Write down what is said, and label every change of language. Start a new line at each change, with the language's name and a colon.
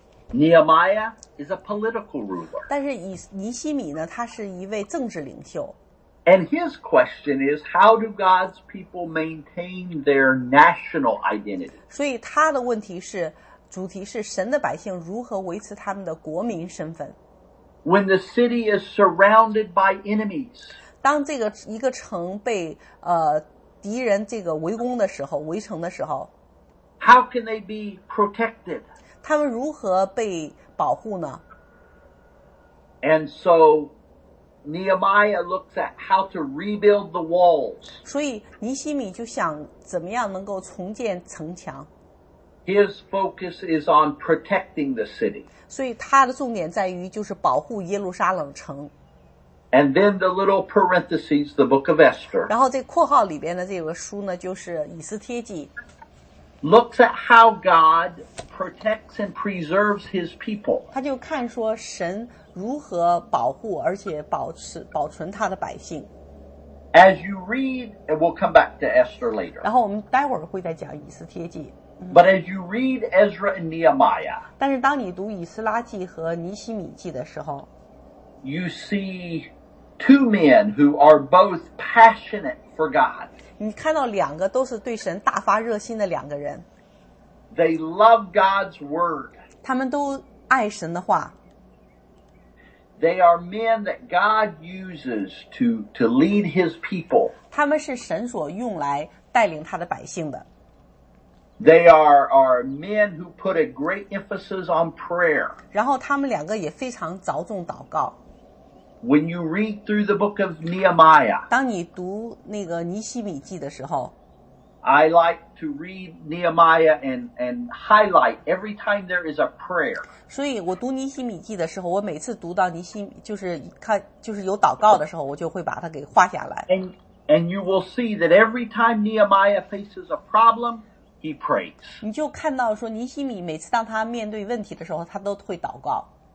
English: Nehemiah is a political ruler.
Chinese: 但是尼希米呢，他是一位政治领袖。
English: And his question is, how do God's people maintain their national identity?
Chinese: 所以他的问题是主题是神的百姓如何维持他们的国民身份。
English: When the city is surrounded by enemies.
Chinese: 当这个一个城被敌人这个围攻的时候，围城的时候。
English: How can they be protected?
Chinese: 他们如何被保护呢？
English: And so, Nehemiah looks at how to rebuild the walls.
Chinese: 所以尼希米就想怎么样能够重建城墙。
English: His focus is on protecting the city.
Chinese: 所以他的重点在于就是保护耶路撒冷城。
English: And then the little parentheses, the book of Esther.
Chinese: 然后这括号里边的这个书呢，就是以斯帖记。
English: Looks at how God protects and preserves His people.
Chinese: 他就看说神如何保护而且保存他的百姓。
English: As you read, and we'll come back to Esther later.
Chinese: 然后我们待会儿会再讲以斯帖记。
English: But as you read Ezra and Nehemiah,
Chinese: 但是当你读以斯拉记和尼希米记的时候，
English: you see two men who are both passionate for God.
Chinese: 你看到两个都是对神大发热心的两个人。
English: They love God's word.
Chinese: 他们都爱神的话。
English: They are men that God uses to lead His people.
Chinese: 他们是神所用来带领他的百姓的。
English: They are men who put a great emphasis on prayer.
Chinese: 然后他们两个也非常着重祷告。
English: When you read through the book of Nehemiah,
Chinese: 当你读那个尼希米记的时候，
English: I like to read Nehemiah and highlight every time there is a prayer.
Chinese: 所以我读尼希米记的时候，我每次读到尼希米就是有祷告的时候，我就会把它给画下来。
English: And you will see that every time Nehemiah faces a problem,He prays.
Chinese: 你就看到说尼希米每次当他面对问题的时候他都会祷告。